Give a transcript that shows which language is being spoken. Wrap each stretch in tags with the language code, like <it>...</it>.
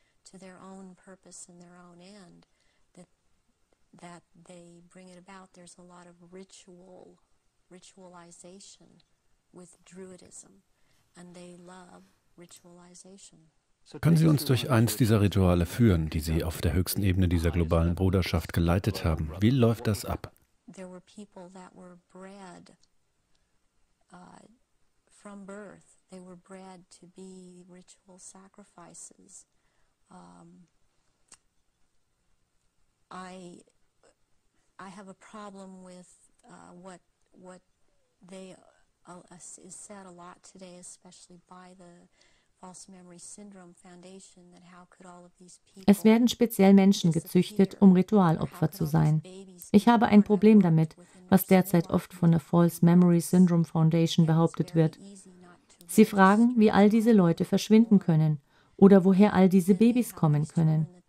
<en>To their own purpose and their own end, that they bring it about. There's a lot of ritualization with druidism, and they love ritualization.</en> <de>Können Sie uns durch eins dieser Rituale führen, die Sie auf der höchsten Ebene dieser globalen Bruderschaft geleitet haben? Wie läuft das ab?</de> <en>There were people that were bred from birth. They were bred to be ritual sacrifices. I have a problem with what they is said a lot today, especially by the False Memory Syndrome Foundation, that how could all of these people.</en> <de>Es werden speziell Menschen gezüchtet, um Ritualopfer zu sein. Ich habe ein Problem damit, was derzeit oft von der False Memory Syndrome Foundation behauptet wird. Sie fragen, wie all diese Leute verschwinden können. Oder woher all diese Babys kommen können.</de>